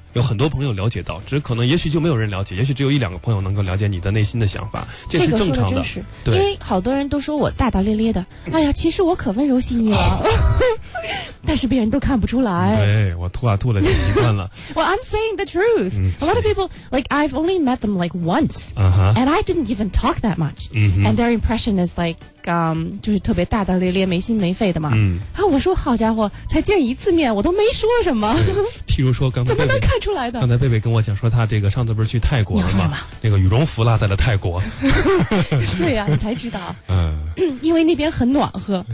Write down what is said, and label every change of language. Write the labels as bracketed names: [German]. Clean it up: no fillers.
[Chinese] 有很多朋友了解到，只可能也许就没有人了解，也许只有一两个朋友能够了解你的内心的想法，这是正常这个说的真是。对，因为好多人都说我大大咧咧的，哎呀，其实我可温柔细腻了，但是别人都看不出来。对，我吐啊吐了就习惯了。 [English] Well, I'm saying the truth. A lot of people, like, I've only met them like once, and I didn't even talk that much. And their impression is like, [Chinese] 就是特别大大咧咧、没心没肺的嘛。我说好家伙，才见一次面，我都没说什么。譬如说刚才怎么能看出来的？刚才贝贝跟我讲说，他这个上次不是去泰国了吗？那个羽绒服落在了泰国。对呀、啊，你才知道。因为那边很暖和。